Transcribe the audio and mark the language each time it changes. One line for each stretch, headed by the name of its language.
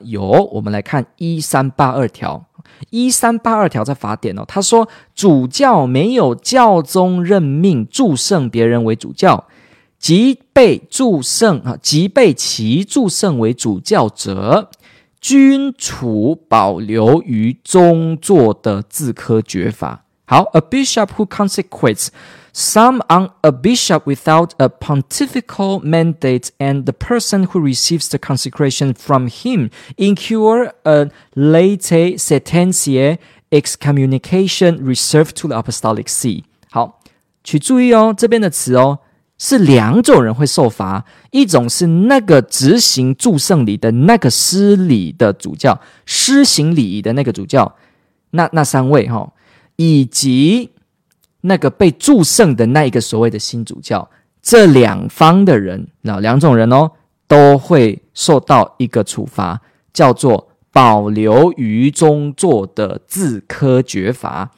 Chinese: 有，我们来看1382条在法典，他说主教没有教宗任命祝圣别人为主教，即被其祝圣为主教者，均处保留于宗座的自科爵法。
English: 好， A bishop who consecrates some on a bishop without a pontifical mandate and the person who receives the consecration from him incur a late sententiae excommunication reserved to the apostolic see.
Chinese: 好，去注意哦，这边的词哦是两种人会受罚，一种是那个执行祝圣礼的那个施礼的主教，施行礼仪的那个主教，那三位，以及那个被祝圣的那一个所谓的新主教，这两方的人，两种人哦，都会受到一个处罚，叫做保留于宗座的自科爵罚。